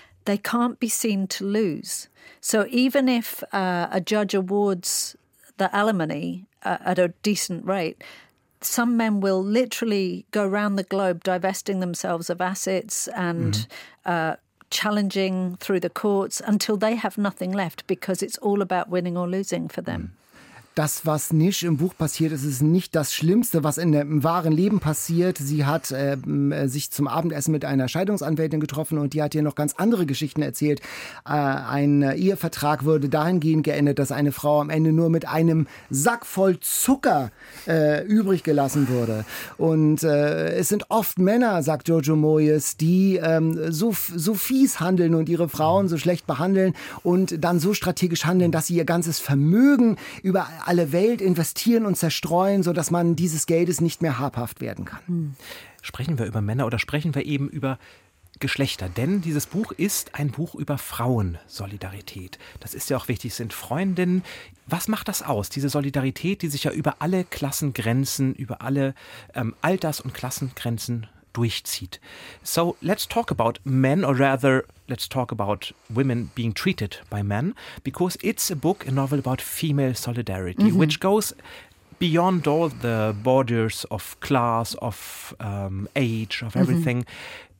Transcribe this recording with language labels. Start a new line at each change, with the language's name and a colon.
English: They can't be seen to lose. So even if a judge awards the alimony at a decent rate, some men will literally go around the globe divesting themselves of assets and challenging through the courts until they have nothing left because it's all about winning or losing for them. Mm.
German: das, was Nish im Buch passiert, ist es nicht das Schlimmste, was im wahren Leben passiert. Sie hat sich zum Abendessen mit einer Scheidungsanwältin getroffen und die hat ihr noch ganz andere Geschichten erzählt. Ein Ehevertrag würde dahingehend geendet, dass eine Frau am Ende nur mit einem Sack voll Zucker übrig gelassen wurde. Und es sind oft Männer, sagt Giorgio Moyes, die so fies handeln und ihre Frauen so schlecht behandeln und dann so strategisch handeln, dass sie ihr ganzes Vermögen über alle Welt investieren und zerstreuen, sodass man dieses Geldes nicht mehr habhaft werden kann. Sprechen wir über Männer oder sprechen wir eben über Geschlechter? Denn dieses Buch ist ein Buch über Frauensolidarität. Das ist ja auch wichtig, es sind Freundinnen. Was macht das aus, diese Solidarität, die sich ja über alle Klassengrenzen, über alle Alters- und Klassengrenzen durchzieht?
English: So, let's talk about men, or rather, let's talk about women being treated by men, because it's a book, a novel about female solidarity, mm-hmm. which goes beyond all the borders of class, of age, of everything. Mm-hmm.